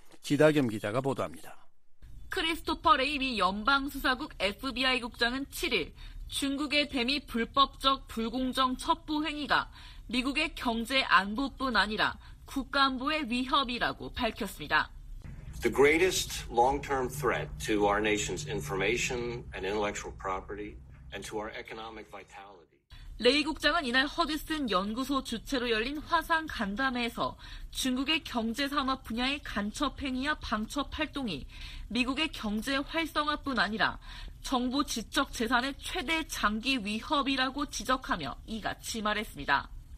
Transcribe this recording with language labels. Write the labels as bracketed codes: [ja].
[ko] 지다겸 기자가 보도합니다. 크리스토퍼 레이 미 연방수사국 FBI 국장은 7일 중국의 대미 불법적 불공정 첩보 행위가 미국의 경제 안보뿐 아니라 국가안보의 위협이라고 밝혔습니다. [en] The greatest long-term threat to our nation's information and intellectual property and to our economic vitality. [ko] 레이 국장은 이날 허드슨 연구소 주최로 열린 화상 간담회에서 중국의 경제산업 분야의 간첩 행위와 방첩 활동이 미국의 경제 활성화뿐 아니라 정부 지적 재산의 최대 장기 위협이라고 지적하며 이같이 말했습니다.